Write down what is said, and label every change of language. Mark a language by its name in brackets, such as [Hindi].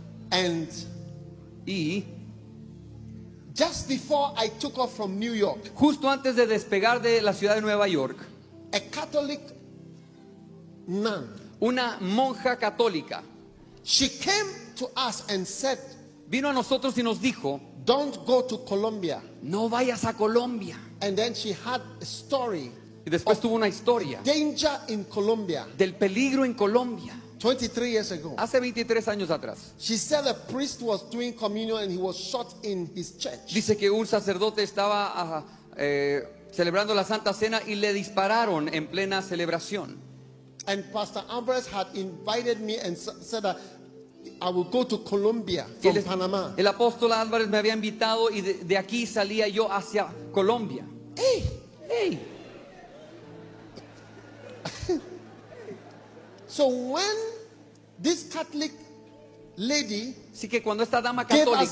[English] And just before I took off from New York, [Spanish] justo antes de despegar de la ciudad de Nueva York, [English] a Catholic nun, [Spanish] una monja católica, [English] she came to us and said, [Spanish] vino a nosotros y nos dijo, [English] don't go to Colombia, [Spanish] no vayas a Colombia. [English] And then she had a story, [Spanish] y después tuvo una historia, [English] danger in Colombia, [Spanish] del peligro en Colombia. [English] 23 years ago. [Spanish] Hace 23 años atrás. [English] She said a priest was doing communion and he was shot in his church. [Spanish] Dice que un sacerdote estaba celebrando la Santa Cena y le dispararon en plena celebración. [English] And Pastor Ambrose had invited me and said that I will go to Colombia from Panama. [Spanish] El apóstol Álvarez me había invitado y de aquí salía yo hacia Colombia. [English] Hey, [Spanish] hey. [English] So when this Catholic lady, [Spanish] así que cuando esta dama católica